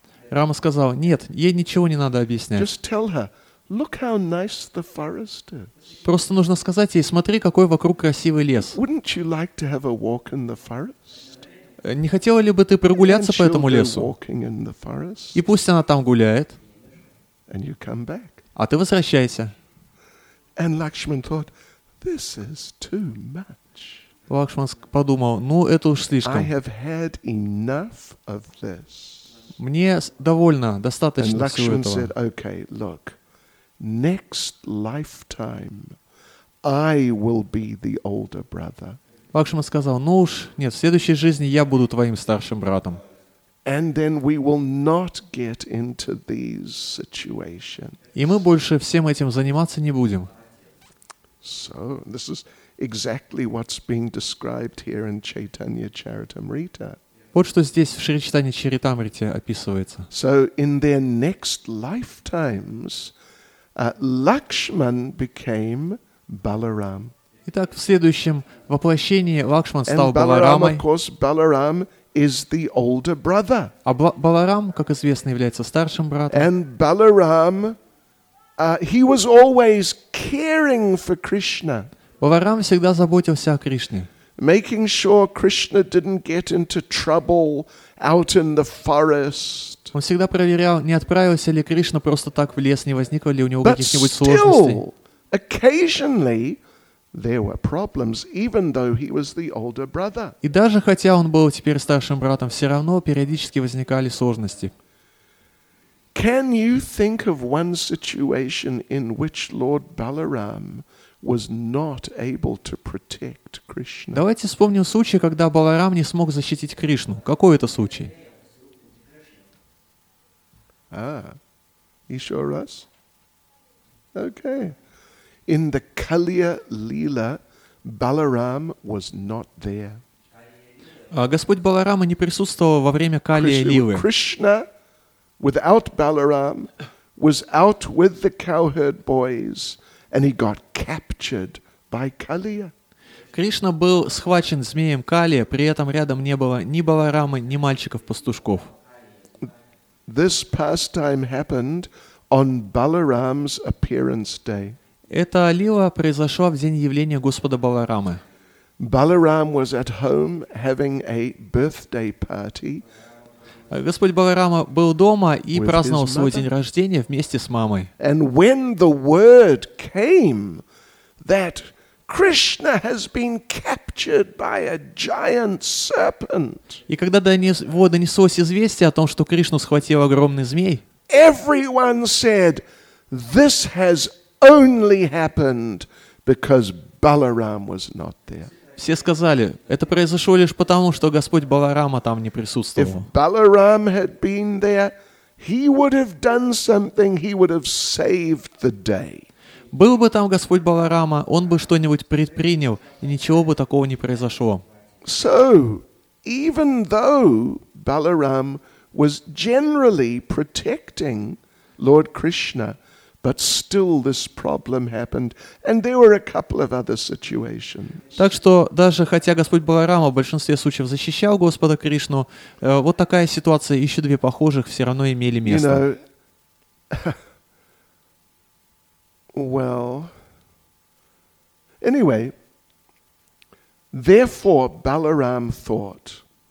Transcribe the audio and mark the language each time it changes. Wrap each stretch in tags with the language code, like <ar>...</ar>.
<ru>Рама сказал, нет, ей ничего не надо объяснять.</ru> <en>Just tell her, look how nice the forest is.</en> <ru>Просто нужно сказать ей, смотри, какой вокруг красивый лес.</ru> <en>Wouldn't you like to have a walk in the forest?</en> <ru>Не хотела ли бы ты прогуляться по этому лесу?</ru> <en>Walking in the forest?</en> <ru>И пусть она там гуляет.</ru> <en>And you come back.</en> <ru>А ты возвращайся.</ru> <en>And Lakshman thought, this is too much.</en> <ru>Лакшман подумал, ну это уж слишком.</ru> <en>I have had enough of this.</en> <ru>Мне довольно, достаточно</ru> <en>And</en> <ru>всего</ru> <en>Lakshman</en> <ru>этого.</ru> <en>Said, okay, look, next lifetime I will be the older brother.</en> <ru>Лакшман сказал, ну уж нет, в следующей жизни я буду твоим старшим братом.</ru> <en>And then we will not get into these situations.</en> <ru>И мы больше всем этим заниматься не будем.</ru> <en>So this is exactly what's being described here in Chaitanya Charitamrita.</en> <ru>Вот что здесь в Шри Чайтанья Чаритамрите описывается.</ru> <en>So in their next lifetimes, Lakshman became Balaram.</en> <ru>Итак, в следующем воплощении Лакшман стал Баларамой.</ru> <en>And Balaram, of course, Balaram is the older brother.</en> <ru>А Баларам, как известно, является старшим братом.</ru> <en>And Balaram, he was always caring for Krishna.</en> <ru>Баларам всегда заботился о Кришне.</ru> <en>Making sure Krishna didn't get into trouble out in the forest.</en> <ru>Он всегда проверял, не отправился ли Кришна просто так в лес, не возникло ли у него каких-нибудь сложностей.</ru> <en>But still, occasionally, there were problems, even though he was the older brother.</en> <ru>И даже хотя он был теперь старшим братом, все равно периодически возникали сложности.</ru> <en>Can you think of one situation in which Lord Balaram was not able to protect Krishna?</en> <ru>Давайте вспомним случай, когда Баларам не смог защитить Кришну. Какой это случай? А, еще раз? Okay.</ru> <en>In the Kaliya Lila, Balaram was not there.</en> <ru>Господь Баларама не присутствовал во время Калия Лилы.</ru> <en>Krishna, without Balaram, was out with the cowherd boys. And he got captured by Kaliya.</en> <ru>Кришна был схвачен змеем Калия, при этом рядом не было ни Баларамы, ни мальчиков-пастушков.</ru> <en>This pastime happened on Balaram's appearance day.</en> <ru>Эта лила произошла в день явления Господа Баларамы.</ru> <en>Balaram was at home having a birthday party.</en> <ru>Господь Баларама был дома и праздновал свой день рождения вместе с мамой.</ru> <en>And when the word came that Krishna has been captured by a giant serpent,</en> <ru>и когда до него донеслось известие о том, что Кришну схватил огромный змей,</ru> <en>everyone said, this has only happened because Balaram was not there.</en> <ru>Все сказали, это произошло лишь потому, что Господь Баларама там не присутствовал.</ru> <en>If Balaram had been there, he would have done something, he would have saved the day.</en> <ru>Был бы там Господь Баларама, он бы что-нибудь предпринял, и ничего бы такого не произошло.</ru> <en>So, even though Balaram was generally protecting Lord Krishna, but still this problem happened, and there were a couple of other situations.</en> <ru>Так что даже хотя Господь Баларама в большинстве случаев защищал Господа Кришну, вот такая ситуация, еще две похожих, все равно имели место.</ru> <en>You know, well, anyway, therefore Balaram thought.</en>